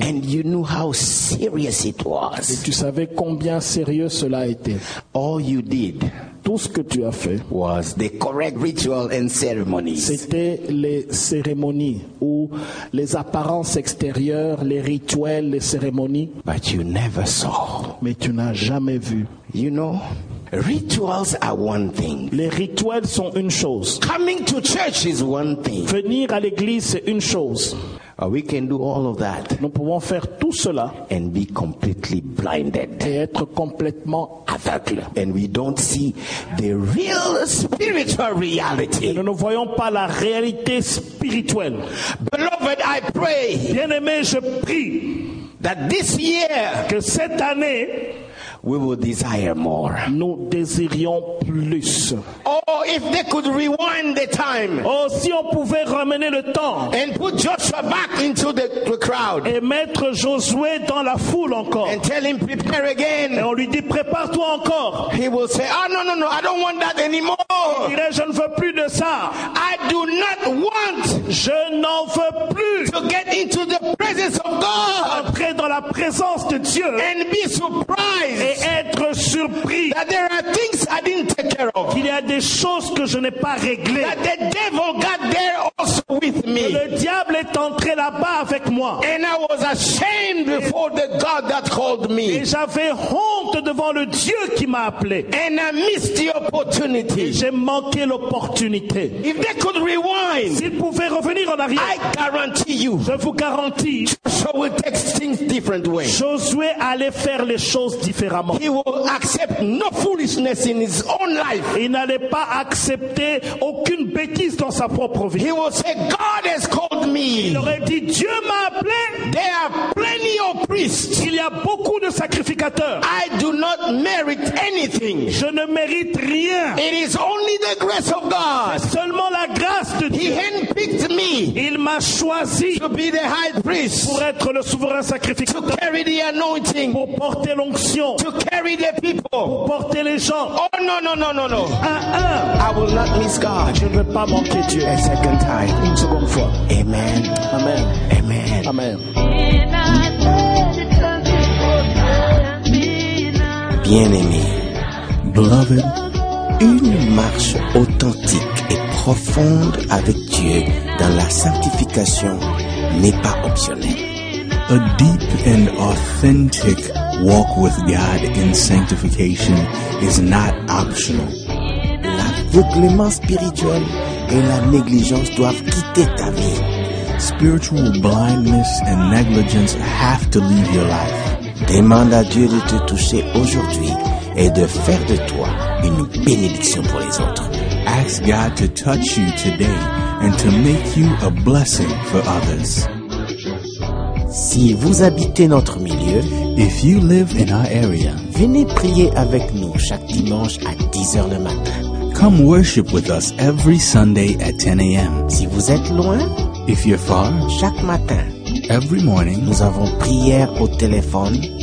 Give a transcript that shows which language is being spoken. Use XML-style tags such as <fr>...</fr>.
<en>And you knew how serious it was.</en> <fr>Et tu savais combien sérieux cela était.</fr> <en>All you did.</en> <fr>Tout ce que tu as fait.</fr> <en>Was the correct ritual and ceremonies.</en> <fr>C'était les cérémonies ou les apparences extérieures, les rituels, les cérémonies.</fr> <en>But you never saw.</en> <fr>Mais tu n'as jamais vu.</fr> <en>You know, rituals are one thing.</en> <fr>Les rituels sont une chose.</fr> <en>Coming to church is one thing.</en> <fr>Venir à l'église c'est une chose.</fr> <en>We can do all of that.</en> <fr>Nous pouvons faire tout cela</fr> <en>and be completely blinded.</en> <fr>Et être complètement aveugle.</fr> <en>And we don't see the real spiritual reality.</en> <fr>Et nous ne voyons pas la réalité spirituelle.</fr> <en>Beloved, I pray.</en> <fr>Bien-aimé, je prie</fr> <en>that this year,</en> <fr>que cette année,</fr> <en>we will desire more.</en> <fr>Nous désirions plus.</fr> <en>Oh, if they could rewind the time.</en> <fr>Oh, si on pouvait ramener le temps.</fr> <en>And put Joshua back into the crowd.</en> <fr>Et mettre Josué dans la foule encore.</fr> <en>And tell him prepare again.</en> <fr>Et on lui dit prépare-toi encore.</fr> <en>He will say, ah, oh, no, I don't want that anymore.</en> <fr>Il dirait, je ne veux plus de ça.</fr> <en>I do not want.</en> <fr>Je n'en veux plus.</fr> <en>To get into the presence of God.</en> <fr>Entrer dans la présence de Dieu.</fr> <en>And be surprised.</en> <fr>Et être surpris</fr> <en>that there are things I didn't take care of.</en> <fr>Qu'il y a des choses que je n'ai pas réglées.</fr> <en>That the devil got there also. with me.</en> <fr>Le diable est entré là-bas avec moi.</fr> <en>And I was ashamed before the God that called me.</en> <fr>Et j'avais honte devant le Dieu qui m'a appelé.</fr> <en>And I missed the opportunity.</en> <fr>Et j'ai manqué l'opportunité.</fr> <en>If they could rewind,</en> <fr>s'ils pouvaient revenir en arrière,</fr> <en>I guarantee you,</en> <fr>je vous garantis,</fr> <en>Joshua will take things different way.</en> <fr>Josué allait faire les choses différemment.</fr> <en>He will accept no foolishness in his own life.</en> <fr>Il n'allait pas accepter aucune bêtise dans sa propre vie.</fr> <en>He will say, God has called me.</en> <fr>Il aurait dit, Dieu m'a appelé.</fr> <en>There are plenty of priests.</en> <fr>Il y a beaucoup de sacrificateurs.</fr> <en>I do not merit anything.</en> <fr>Je ne mérite rien.</fr> <en>It is only the grace of God.</en> <fr>C'est seulement la grâce de Dieu.</fr> <en>He handpicked me.</en> <fr>Il m'a choisi</fr> <en>to be the high priest.</en> <fr>Pour être le souverain sacrificateur.</fr> <en>To carry the anointing.</en> <fr>Pour porter l'onction.</fr> <en>To carry the people.</en> <fr>Pour porter les gens. Oh non, non, non, non, non.</fr> <en>I will not miss God.</en> <fr>Je ne vais pas manquer Dieu.</fr> <en>A second time.</en> <fr>Une seconde fois.</fr> <en>Amen.</en> <fr>Amen.</fr> <en>Amen.</en> <fr>Amen. Bien-aimé, beloved, une marche authentique et profonde avec Dieu dans la sanctification n'est pas optionnelle.</fr> <en>A deep and authentic walk with God in sanctification is not optional.</en> <fr>L'aveuglement spirituel et la négligence doivent quitter ta vie.</fr> <en>Spiritual blindness and negligence have to leave your life.</en> <fr>Demande à Dieu de te toucher aujourd'hui et de faire de toi une bénédiction pour les autres.</fr> <en>Ask God to touch you today and to make you a blessing for others.</en> <fr>Si vous habitez notre milieu,</fr> <en>if you live in our area,</en> <fr>venez prier avec nous chaque dimanche à 10h le matin.</fr> <en>Come worship with us every Sunday at 10 a.m.</en> <fr>Si vous êtes loin,</fr> <en>if you're far,</en> <fr>chaque matin,</fr> <en>every morning,</en> <fr>nous avons prière au téléphone.</fr>